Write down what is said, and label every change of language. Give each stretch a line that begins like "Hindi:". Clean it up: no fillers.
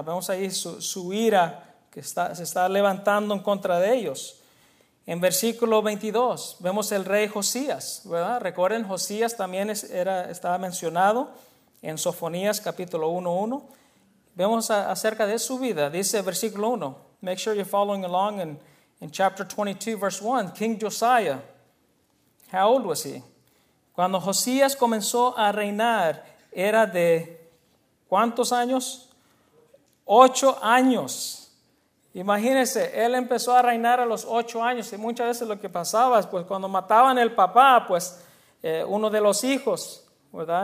Spanish: Vemos ahí su ira que se está levantando en contra de ellos. En versículo 22 vemos el rey Josías, ¿verdad? Recuerden, Josías también estaba mencionado en Sofonías capítulo 1:1. Vemos acerca de su vida. Dice versículo 1.
English: Make sure you're following along in chapter 22, verse 1. King Josiah. How old was he?
Spanish: Cuando Josías comenzó a reinar, era de ¿cuántos años? 8 años. Imagínense, él empezó a reinar a los 8 años y muchas veces lo que pasaba es pues cuando mataban el papá, pues uno de los hijos, ¿verdad?